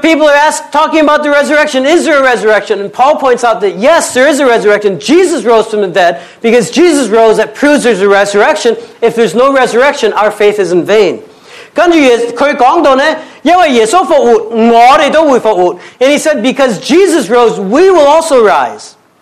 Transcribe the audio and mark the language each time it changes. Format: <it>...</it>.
<en>people are asked, talking about the resurrection, is there a resurrection? And Paul points out that, yes, there is a resurrection. Jesus rose from the dead. Because Jesus rose, that proves there's a resurrection. If there's no resurrection, our faith is in vain.</en> <zh>跟着他说到呢，因为耶稣复活，我们都会复活。</zh> <en>And he said, because Jesus rose, we will also rise.</en>